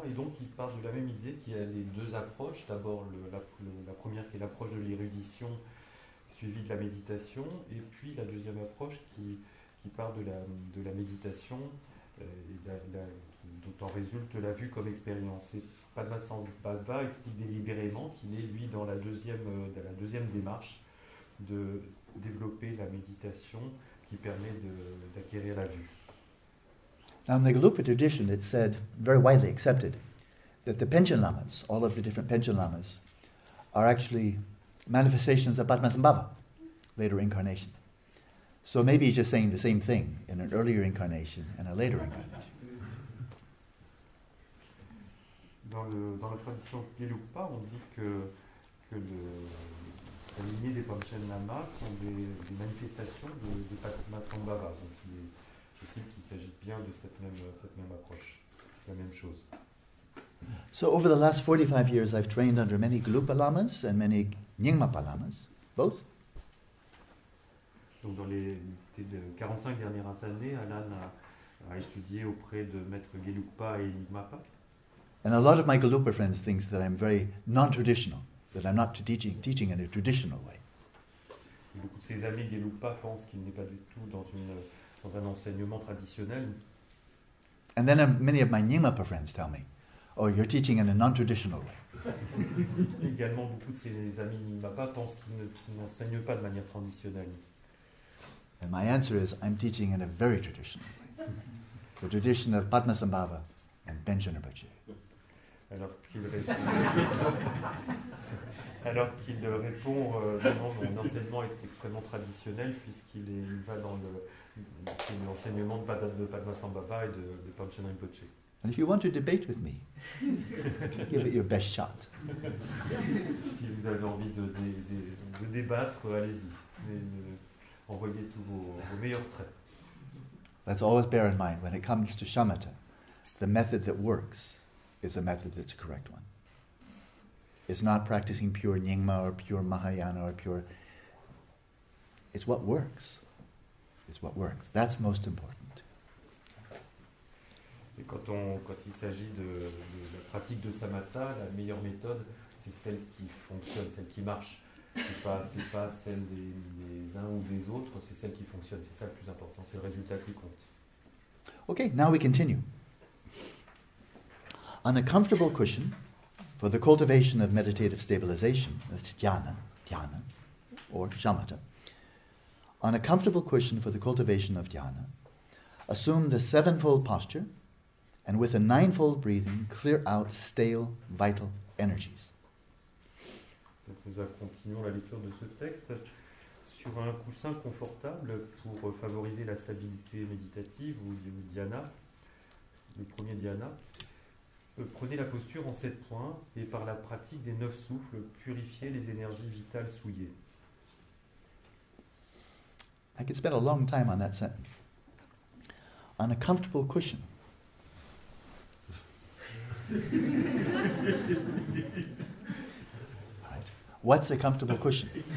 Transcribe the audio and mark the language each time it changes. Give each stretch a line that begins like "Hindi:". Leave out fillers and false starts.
French: Et donc il part de la même idée qu'il y a les deux approches. D'abord la première qui est l'approche de l'érudition suivie de la méditation, et puis la deuxième approche qui part de la méditation et dont en résulte la vue comme expérience. Et Padmasambhava explique délibérément qu'il est, lui, dans la deuxième démarche de développer la méditation qui permet d'acquérir la vue.
English: Now in the Gelugpa tradition, it's said, very widely accepted, that the Panchen Lamas, all of the different Panchen Lamas, are actually manifestations of Padmasambhava, later incarnations. So maybe he's just saying the same thing in an earlier incarnation and a later incarnation.
French: Dans la tradition Gelugpa, on dit que la lignée des Panchen Lamas sont des manifestations de Padmasambhava. Donc il est possible qu'il s'agisse bien de cette même approche, la même chose.
English: So over the last 45 years, I've trained under many Gelugpa Lamas and many Nyingmapa Lamas, both.
French: Donc dans les 45 dernières années, Alan a étudié auprès de maître Gelugpa et Nyingmapa.
English: And a lot of my Gelugpa friends think that I'm very non-traditional, that I'm not teaching in a traditional way.
French: Beaucoup de ses amis Gelugpa pensent qu'il n'est pas du tout dans un enseignement traditionnel.
English: And then many of my Nyingmapa friends tell me, Oh, you're teaching in a non-traditional way.
French: Également, beaucoup de ses amis Mbapa pensent qu'il n'enseigne pas de manière traditionnelle.
English: And my answer is, I'm teaching in a very traditional way. The tradition of Padmasambhava and Benjamin Rinpoche.
French: Alors qu'il répond, non, mon enseignement est extrêmement traditionnel puisqu'il est, il va dans l'enseignement de Padmasambhava et de Panchen Rinpoche.
English: And if you want to debate with me, give it your best shot.
French: Si vous avez envie de débattre, allez-y. Envoyez tous vos meilleurs traits.
English: Let's always bear in mind when it comes to shamatha, the method that works is a method that's a correct one. It's not practicing pure Nyingma or pure Mahayana or pure. It's what works. It's what works. That's most important.
French: Et quand il s'agit de la pratique de samatha, la meilleure méthode, c'est celle qui fonctionne, celle qui marche. C'est pas celle des uns ou des autres, c'est celle qui fonctionne. C'est ça le plus important, c'est le résultat qui compte.
English: Okay, now we continue. On a comfortable cushion, for the cultivation of meditative stabilization, that's dhyana, or shamatha, on a comfortable cushion for the cultivation of dhyana, assume the sevenfold posture, and with a ninefold breathing, clear out stale, vital energies.
French: Nous continuons la lecture de ce texte. Sur un coussin confortable pour favoriser la stabilité méditative ou dhyana, le premier dhyana, prenez la posture en sept points et par la pratique des neuf souffles, purifiez les énergies vitales souillées.
English: I could spend a long time on that sentence. On a comfortable cushion. What's a comfortable cushion?